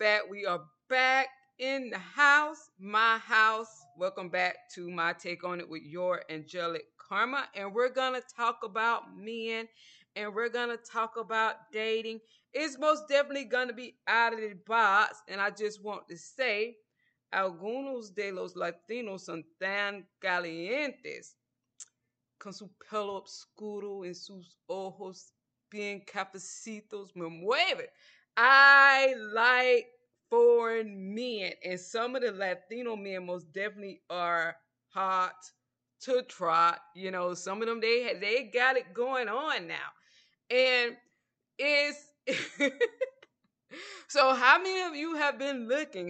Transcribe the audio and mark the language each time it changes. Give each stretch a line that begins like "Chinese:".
English: We are back in the house, my house. Welcome back to My Take on It with Your Angelic Karma. And we're going to talk about men and we're going to talk about dating. It's most definitely going to be out of the box. And I just want to say,
Spanish: algunos de los latinos son tan calientes con su pelo oscuro y sus ojos bien cafecitos me mueven.
English: I like foreign men, and some of the Latino men most definitely are hot to trot. You know, some of them, they got it going on now. And it's, so how many of you have been looking?